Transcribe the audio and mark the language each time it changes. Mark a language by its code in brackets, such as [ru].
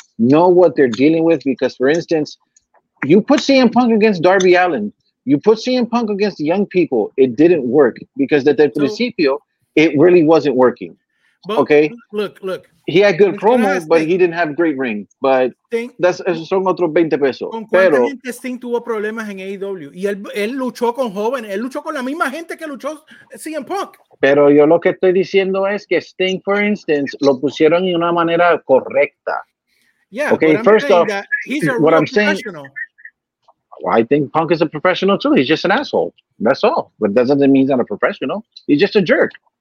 [en] Know what they're dealing with, because for instance, you put CM Punk against Darby Allin, you put CM Punk against the young people, it didn't work, because at the principio, it really wasn't working. But okay, look, he had good promo, but he didn't have great ring. But that's [es] son otros 20 pesos. Con cuánta gente Sting tuvo problemas en AEW, y él luchó con joven, él luchó con la misma gente que luchó CM Punk. Pero yo lo que estoy diciendo es que Sting, [en] for instance, [es] lo pusieron en una manera correcta. [en] Yeah, okay, first off, what I'm saying, well, I think Punk is a professional too. He's just an asshole. That's all. But doesn't mean he's not a professional. He's just a jerk.